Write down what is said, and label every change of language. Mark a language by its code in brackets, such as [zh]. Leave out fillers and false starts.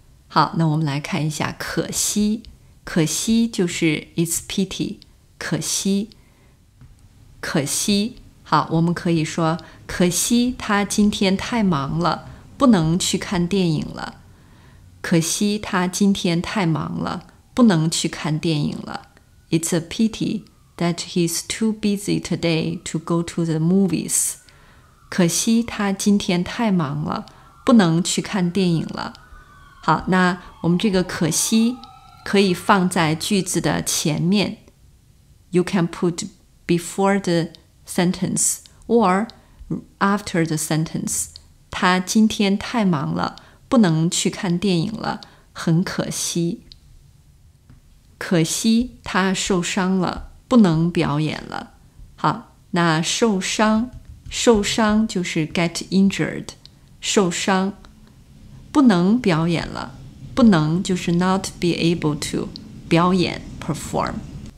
[zh] 好，那我们来看一下可惜。可惜就是 [en] it's pity， [zh] 可惜，可惜。好，我们可以说可惜他今天太忙了，不能去看电影了。可惜他今天太忙了，不能去看电影了。 [en] It's a pity that he's too busy today to go to the movies. [zh] 可惜他今天太忙了，不能去看电影了。好，那我们这个可惜可以放在句子的前面。 [en] You can put before the sentence or after the sentence. [zh] 他今天太忙了，不能去看电影了，很可惜。可惜他受伤了，不能表演了。好，那受伤，受伤就是 [en] get injured， [zh] 受伤，不能表演了，不能就是 [en] not be able to [zh] 表演 perform。